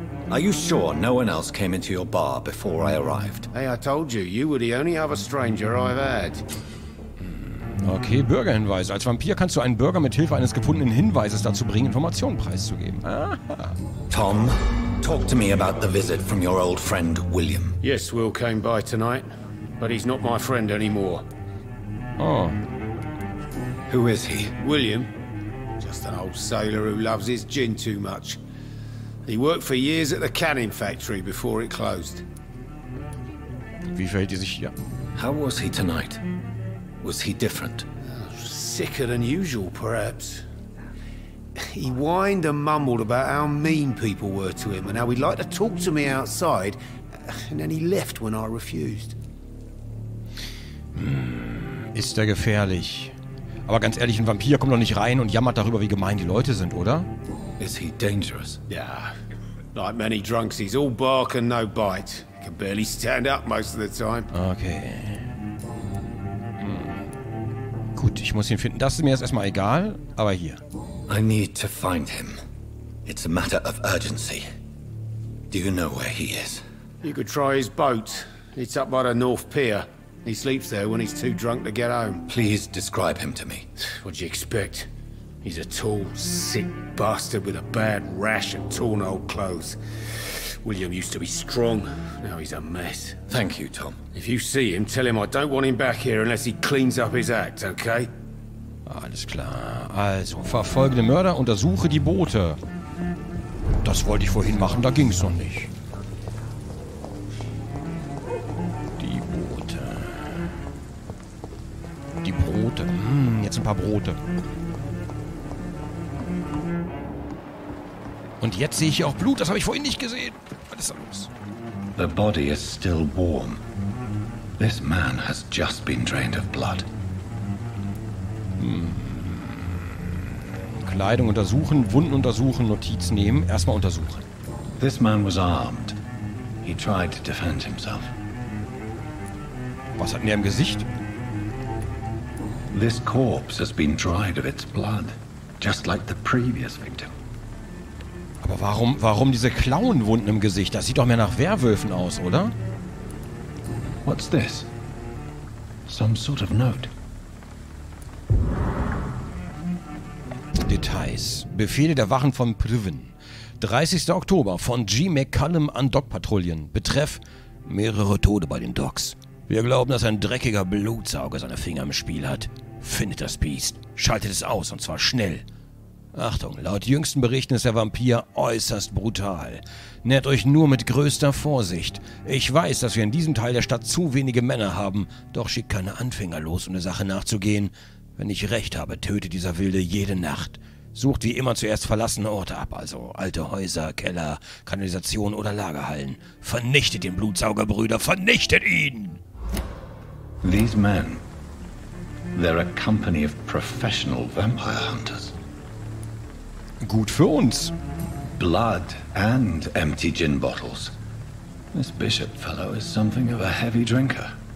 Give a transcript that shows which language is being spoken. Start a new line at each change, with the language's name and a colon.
English: Are you sure no one else came into your bar before I arrived? Hey, I told you, you were the only other stranger I've had.
German: Okay, Bürgerhinweise. Als Vampir kannst du einen Bürger mit Hilfe eines gefundenen Hinweises dazu bringen, Informationen preiszugeben.
English: Tom, talk to me about the visit from your old friend William. Yes, Will came by tonight, but he's not my friend anymore. Oh. Who is he? William. Just an old sailor who loves his gin too much. He worked for years at the canning factory before it closed.
German: Wie verhält er sich hier?
English: How was he tonight? Was he different? Sicker than usual, perhaps. He whined and mumbled about how mean people were to him and how he'd like to talk to me outside, and then he left when I refused.
German: Ist er gefährlich? Aber ganz ehrlich, ein Vampir kommt doch nicht rein und jammert darüber, wie gemein die Leute sind, oder?
English: Is he dangerous? Yeah. Like many drunks, he's all bark and no bite. He can barely stand up most of the time. Okay.
German: Gut, ich muss ihn finden. Das ist mir jetzt erstmal egal, aber hier.
English: I need to find him. It's a matter of urgency. Do you know where he is? You could try his boat. It's up by the North Pier. He sleeps there when he's too drunk to get home. Please describe him to me. What do you expect? He's a tall, sick bastard with a bad rash and torn old clothes. William used to be strong. Now he's a mess. Thank you, Tom. If you see him, tell him I don't want him back here unless he cleans up his act, okay?
German: Alles klar. Also, verfolge den Mörder, untersuche die Boote. Das wollte ich vorhin machen, da ging's noch nicht. Die Boote. Die Brote. Jetzt ein paar Brote. Und jetzt sehe ich hier auch Blut, das habe ich vorhin nicht gesehen. Was ist da los?
English: The body is still warm. This man has just been drained of blood.
German: Kleidung untersuchen, Wunden untersuchen, Notiz nehmen, erstmal untersuchen.
English: This man was armed. He tried to defend himself.
German: Was hat denn der im Gesicht?
English: This corpse has been dried of its blood, just like the previous victim.
German: Aber warum diese Klauenwunden im Gesicht? Das sieht doch mehr nach Werwölfen aus, oder?
English: What's this? Some sort of note.
German: Details. Befehle der Wachen von Priven. 30. Oktober von G. McCallum an Dockpatrouillen. Betreff mehrere Tode bei den Docks. Wir glauben, dass ein dreckiger Blutsauger seine Finger im Spiel hat. Findet das Biest. Schaltet es aus, und zwar schnell. Achtung, laut jüngsten Berichten ist der Vampir äußerst brutal. Nährt euch nur mit größter Vorsicht. Ich weiß, dass wir in diesem Teil der Stadt zu wenige Männer haben, doch schickt keine Anfänger los, um der Sache nachzugehen. Wenn ich recht habe, tötet dieser Wilde jede Nacht. Sucht wie immer zuerst verlassene Orte ab, also alte Häuser, Keller, Kanalisation oder Lagerhallen. Vernichtet den Blutsauger, Brüder, vernichtet ihn!
English: These men, they're a company of professional vampire hunters.
German: Gut für uns.
English: Blood and empty gin bottles. This Bishop fellow is something of a heavy drinker.